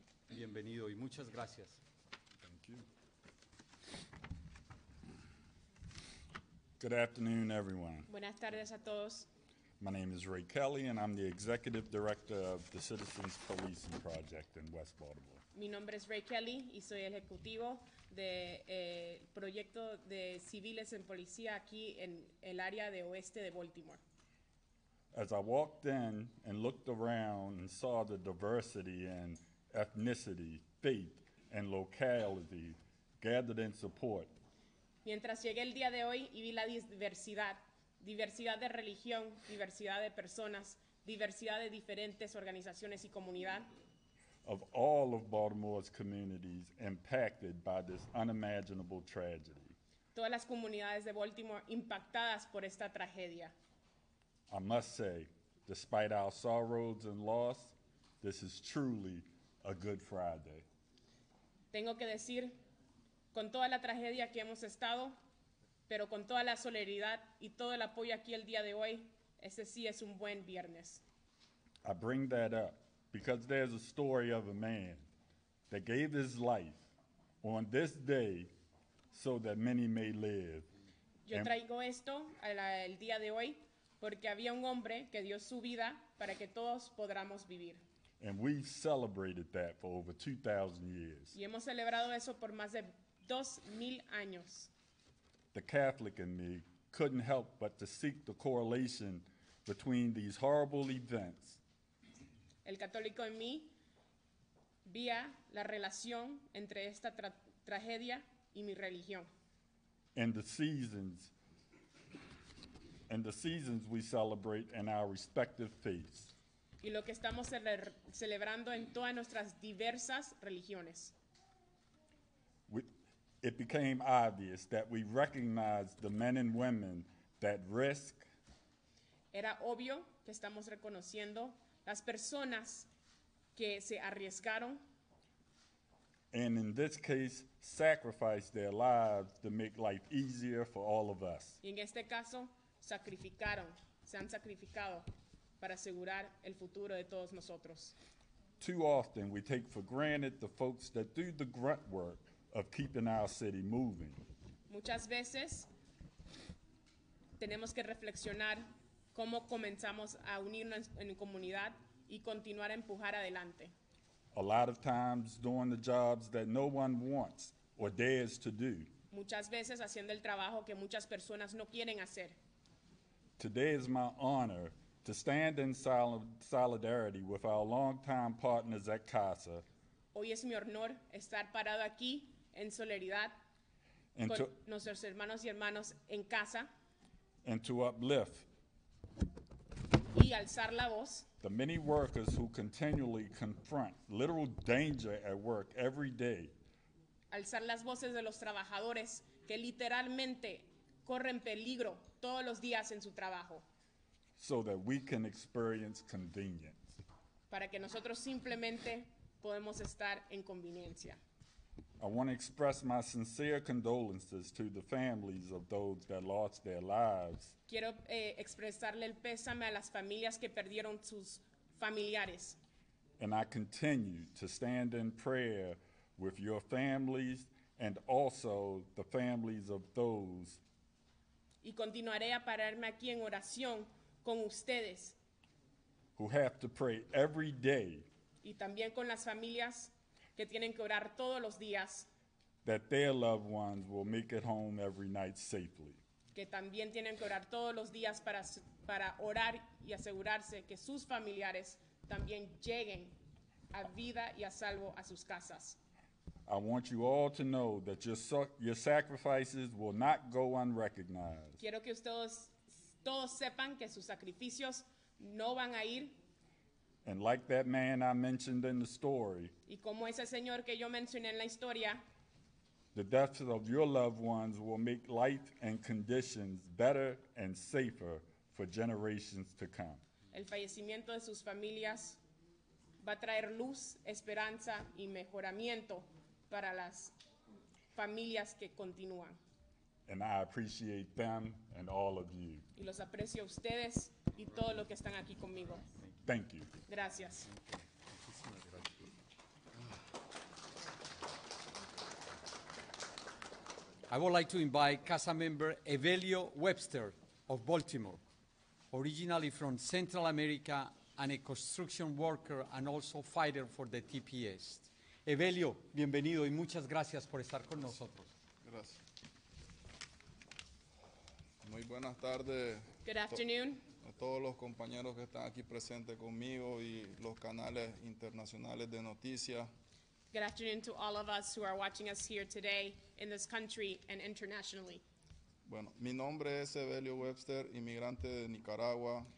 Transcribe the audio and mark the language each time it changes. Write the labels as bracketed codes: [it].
[es] Bienvenido y muchas gracias. [en] Thank you. Good afternoon, everyone. [es] Buenas tardes a todos. [en] My name is Ray Kelly, and I'm the Executive Director of the Citizens Policing Project in West Baltimore. [es] Mi nombre es Ray Kelly, y soy el Ejecutivo de proyecto de civiles en policía aquí en el área de oeste de Baltimore. [en] As I walked in and looked around and saw the diversity in ethnicity, faith, and locality gathered in support. [es] Mientras llegué el día de hoy y vi la diversidad de religión, diversidad de personas, diversidad de diferentes organizaciones y comunidad. [en] Of all of Baltimore's communities impacted by this unimaginable tragedy. [es] Todas las comunidades de Baltimore impactadas por esta tragedia. [en] I must say, despite our sorrows and loss, this is truly a good Friday. [es] Tengo que decir, con toda la tragedia que hemos estado, pero con toda la solidaridad y todo el apoyo aquí el día de hoy, ese sí es un buen viernes. [en] I bring that up because there's a story of a man that gave his life on this day so that many may live. [es] Yo traigo esto el día de hoy porque había un hombre que dio su vida para que todos podamos vivir. [en] And we've celebrated that for over 2,000 years. [es] Y hemos celebrado eso por más de 2,000 años. [en] The Catholic in me couldn't help but to seek the correlation between these horrible events. [es] El católico en mí vía la relación entre esta tragedia y mi religión. [en] And the seasons we celebrate in our respective faiths. [es] Y lo que estamos celebrando en todas nuestras diversas religiones. [en] It became obvious that we recognize the men and women that risk. [es] Era obvio que estamos reconociendo las personas que se arriesgaron. [en] And in this case, sacrificed their lives to make life easier for all of us. [es] Y en este caso, sacrificaron, se han sacrificado para asegurar el futuro de todos nosotros. [en] Too often, we take for granted the folks that do the grunt work of keeping our city moving. [es] Muchas veces tenemos que reflexionar cómo comenzamos a unirnos en comunidad y continuar a empujar adelante. [en] A lot of times doing the jobs that no one wants or dares to do. [es] Muchas veces haciendo el trabajo que muchas personas no quieren hacer. [en] Today is my honor to stand in solidarity with our longtime partners at CASA. [es] Hoy es mi honor estar parado aquí en solidaridad con nuestros hermanos y hermanas en CASA. [en] And to uplift. [es] Y alzar la voz. [en] The many workers who continually confront literal danger at work every day. [es] Alzar las voces de los trabajadores que literalmente corren peligro todos los días en su trabajo. [en] So that we can experience convenience. [es] Para que nosotros simplemente podemos estar en conveniencia. [en] I want to express my sincere condolences to the families of those that lost their lives. [es] Quiero expresarle el pésame a las familias que perdieron sus familiares. [en] And I continue to stand in prayer with your families and also the families of those. [es] Y continuaré a pararme aquí en oración con ustedes. [en] Who have to pray every day. [es] Y también con las familias que tienen que orar todos los días. [en] That their loved ones will make it home every night safely. [es] Que también tienen que orar todos los días para orar y asegurarse que sus familiares también lleguen a vida y a salvo a sus casas. [en] I want you all to know that your sacrifices will not go unrecognized. [es] Quiero que ustedes todos sepan que sus sacrificios no van a ir. [en] And like that man I mentioned in the story, [es] y como ese señor que yo mencioné en la historia, [en] the deaths of your loved ones will make life and conditions better and safer for generations to come. [es] El fallecimiento de sus familias va a traer luz, esperanza y mejoramiento para las familias que continúan. [en] And I appreciate them and all of you. [es] Y los aprecio a ustedes y todo lo que están aquí conmigo. [en] Thank you. [es] Gracias. [en] I would like to invite CASA member Evelio Webster of Baltimore, originally from Central America and a construction worker and also fighter for the TPS. [es] Evelio, bienvenido y muchas gracias por estar con nosotros. Gracias. Muy buenas tardes. [en] Good afternoon. [es] A todos los compañeros que están aquí presentes conmigo y los canales internacionales de noticias. [en] Good afternoon to all of us who are watching us here today in this country and internationally. [es] Bueno, mi nombre es Evelio Webster, inmigrante de Nicaragua.